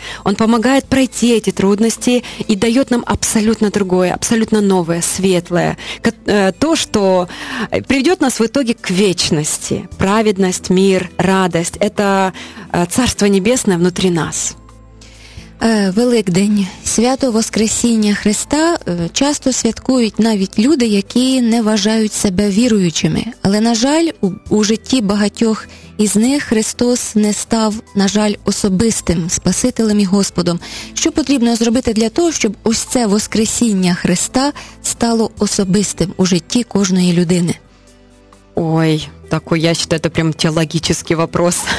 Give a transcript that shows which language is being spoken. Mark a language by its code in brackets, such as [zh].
[ru] Он помогает пройти эти трудности и дает нам абсолютно другое, абсолютно новое, светлое. То, что приведет нас в итоге к вечности. Праведность, мир, радость – это Царство Небесное внутри нас. [uk] Великдень, свято Воскресіння Христа часто святкують навіть люди, які не вважають себе віруючими. Але, на жаль, у житті багатьох із них Христос не став, на жаль, особистим Спасителем і Господом. Що потрібно зробити для того, щоб ось це Воскресіння Христа стало особистим у житті кожної людини? [ru] Ой, такой, я считаю, это прям теологический вопрос.